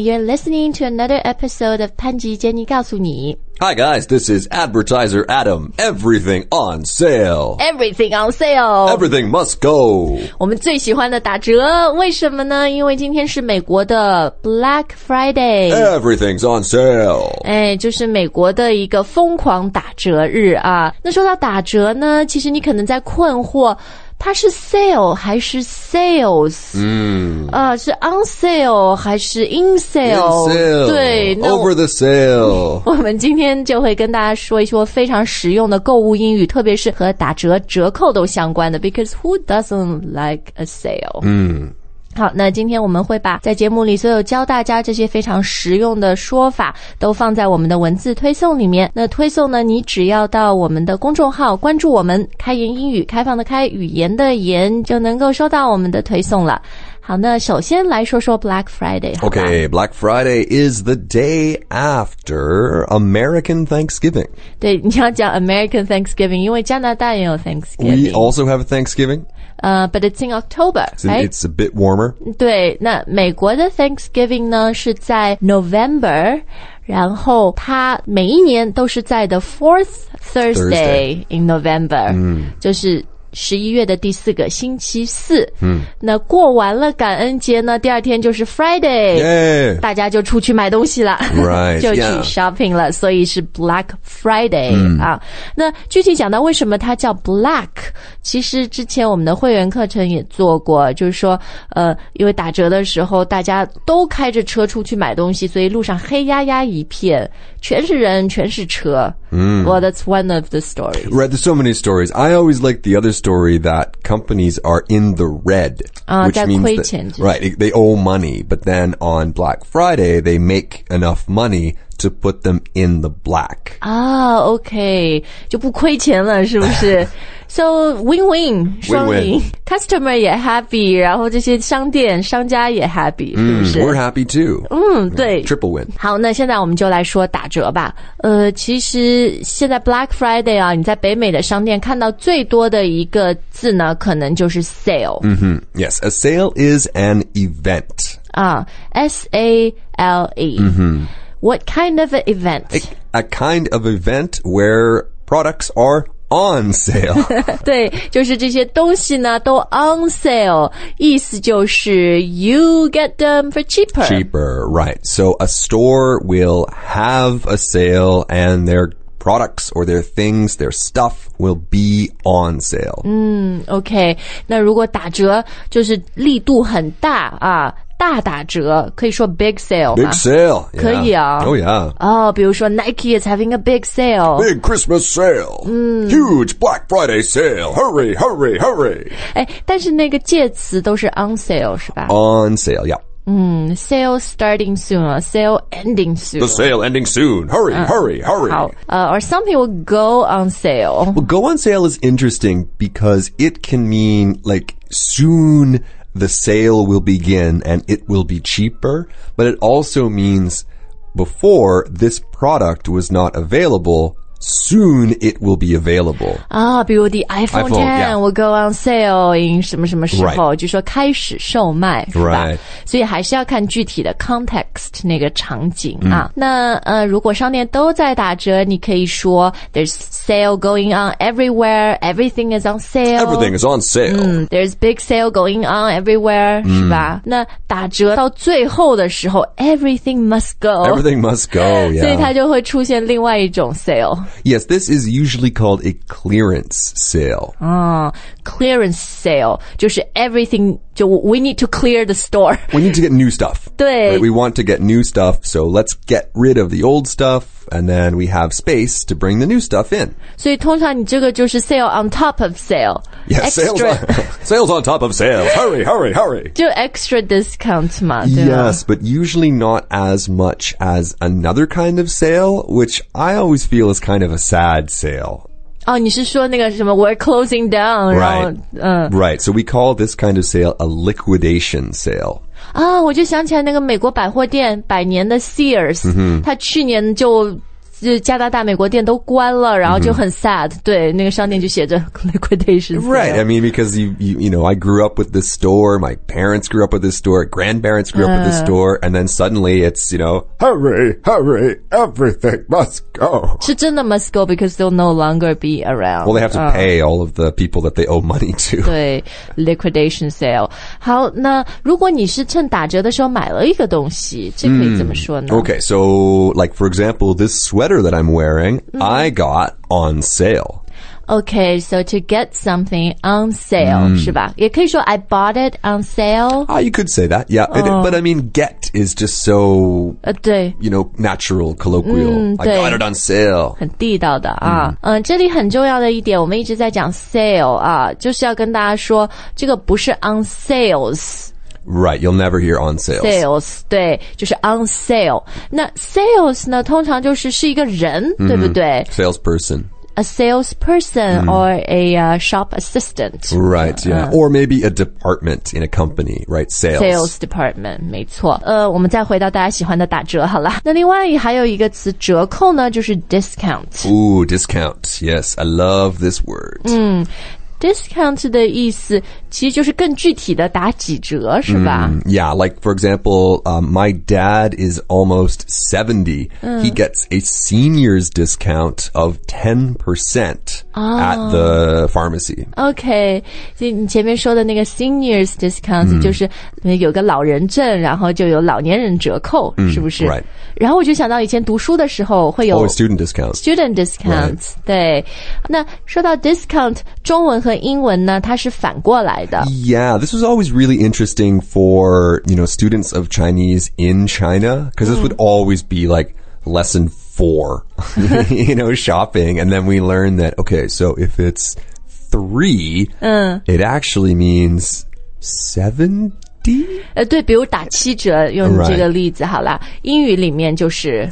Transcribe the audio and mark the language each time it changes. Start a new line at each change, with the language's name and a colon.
English: You're listening to another episode of
Chinese: 潘吉 Jenny 告诉你。
English: Hi guys, this is Advertiser Adam. Everything on sale. Everything on sale. Everything must go.
Chinese: 我们最喜欢的打折，为什么呢？因为今天是美国的 Black Friday.
English: Everything's on sale.
Chinese: 哎，就是美国的一个疯狂打折日啊。那说到打折呢，其实你可能在困惑它是 sale 还是 sales？
English: 是 on sale 还是 in sale？ In sale，
Chinese: 对
English: ，over the sale。
Chinese: 我们今天就会跟大家说一说非常实用的购物英语，特别是和打折、折扣都相关的。
English: Because who doesn't like a sale？
Chinese: 好，那今天我们会把在节目里所有教大家这些非常实用的说法都放在我们的文字推送里面。那推送呢，你只要到我们的公众号关注我们，开言英语，开放的开，语言的言，就能够收到我们的推送了。好，那首先来说说 Black Friday。
English: Okay, Black Friday is the day after American Thanksgiving.
Chinese: 对，你要讲 American Thanksgiving， 因为加拿大也有 Thanksgiving。
English: We also have Thanksgiving. But it's in October, right? It's a bit warmer.
Chinese: 对，那美国的 Thanksgiving 呢是在 November，然后它每一年都是在 the fourth Thursday in November，就是11月的第四个星期四。那过完了感恩节呢，第二天就是 Friday，
English: yeah，
Chinese: 大家就出去买东西了，
English: right，
Chinese: 就去 shopping 了，
English: yeah，
Chinese: 所以是 Black Friday，啊。那具体讲到为什么它叫 Black， 其实之前我们的会员课程也做过，就是说因为打折的时候大家都开着车出去买东西，所以路上黑压压一片，全是人，全是车。
English: Well, that's one of the stories. Right, there's so many stories. I always like the other story that companies are in the red. Right, they owe money. But then on Black Friday, they make enough money to put them in the black. Ah, okay.
Chinese: 就不亏钱了，是不是？ So, win-win, 双赢 customer 也 happy, 然后这些商店商家也 happy, 是不是？
English: We're happy too.
Chinese: 对。
English: Triple win.
Chinese: 好，那现在我们就来说打折吧。其实现在 Black Friday 啊，你在北美的商店看到最多的一个字呢，可能就是 sale.
English: Yes, a sale is an event. S-A-L-E. What kind of an event? A kind of event where products are on sale.
Chinese: 对，就是这些东西呢都 on sale， 意思就是
English: you get them for cheaper. Cheaper, right. So a store will have a sale and their products or their things, their stuff will be on sale. Okay.
Chinese: 那如果打折就是力度很大啊，大打折可以说 big sale 吗？
English: Big sale，
Chinese: 可以啊。
English: Oh yeah。
Chinese: 比如说
English: Nike is having a big sale， big Christmas sale， huge Black Friday sale， hurry hurry hurry。
Chinese: 哎，但是那个介词都是 on sale 是吧？
English: On sale， yeah。 Sale starting soon， sale ending soon， the sale ending soon， hurry hurry hurry。
Chinese: 好，
English: or something will go on sale。 Well， go on sale is interesting because it can mean like soon. The sale will begin and it will be cheaper, but it also means before this product was not available, soon it will be available.
Chinese: 比如
English: the iPhone X will go on sale
Chinese: in 什么什么时候，就说开始售卖，是吧？
English: Right.
Chinese: 所以还是要看具体的 context 那个场景啊。那如果商店都在打折，你可以说
English: there's sale going on everywhere, everything is on sale. Everything is on sale. There's big sale going on everywhere,
Chinese: 是吧？那打折到最后的时候
English: everything must go. Everything must go, yeah.
Chinese: 所以它就会出现另外一种 sale。
English: Yes, this is usually called a clearance sale. Clearance sale
Chinese: 就是
English: everything, 就 we need to clear the store. We need to get new stuff.
Chinese: 对。
English: Right, we want to get new stuff, so let's get rid of the old stuff, and then we have space to bring the new stuff in.
Chinese: 所以通常你这个就是
English: sale on top of sale. Yes, sales on top of sale. Hurry, hurry, hurry.
Chinese: 就
English: extra discount
Chinese: 嘛，对吧？
English: Yes, but usually not as much as another kind of sale, which I always feel is kind of a sad sale.
Chinese: Oh, 你是说那个什么
English: we're closing down, right? Right. So we call this kind of sale a liquidation sale.
Chinese: 我就想起来那个美国百货店百年的 Sears, 它去年就加拿大美国店都关了然后就很 sad、mm-hmm. 对那个商店就写着 liquidation sale.
English: Right, I mean because you know I grew up with this store, my parents grew up with this store, grandparents grew up with this store, and then suddenly it's, you know, hurry, hurry, everything must go.
Chinese: 是真的
English: must go because they'll no longer be around. Well, they have to pay all of the people that they owe money to.
Chinese: 对 liquidation sale. 好那如果你是趁打折的时候买了一个东西这可以怎么说呢、 mm.
English: Okay, so like for example, this sweater that I'm wearing,、mm. I got on sale. Okay, so to get something on sale,、mm.
Chinese: 是吧？也可以说
English: I bought it on sale. You could say that, yeah.、Oh. But I mean, get is just so,、
Chinese: 对
English: you know, natural, colloquial.、 Mm, I got it on sale.
Chinese: 很地道的啊。嗯，这里很重要的一点，我们一直在讲 sale 啊，就是要跟大家说，这个不是
English: on sales. Right, you'll never hear on sales.
Chinese: Sales, 对，就是 on sale. 那 sales 呢，通常就是一个人，对不对？
English: Salesperson. A salesperson、mm-hmm. or a、shop assistant. Right, yeah.、Or maybe a department in a company, right? Sales.
Chinese: Sales department, 没错。我们再回到大家喜欢的打折好了。那另外还有一个词折扣呢，就是 discount.
English: Ooh, discount. Yes, I love this word. 嗯。
Chinese: Discount 的意思其实就是更具体的打几折是吧、
English: mm, Yeah, like for example,、my dad is almost 70.、Mm. He gets a senior's discount of 10%、 oh. at the pharmacy.
Chinese: Okay, 所以你前面说的那个 senior's discount、mm. 就是有个老人证然后就有老年人折扣、 mm, 是不是、
English: right.
Chinese: 然后我就想到以前读书的时候会有、
English: oh, student discount. Student discount,、 right.
Chinese: 对。那说到 discount, 中文和英文呢它是反过来的
English: Yeah, this was always really interesting for, you know, students of Chinese in China, because this would always be like lesson four, you know, shopping, and then we learn that, okay, so if it's three, it actually means 70?
Chinese: 对比如打七折用这个例子好了英语里面就是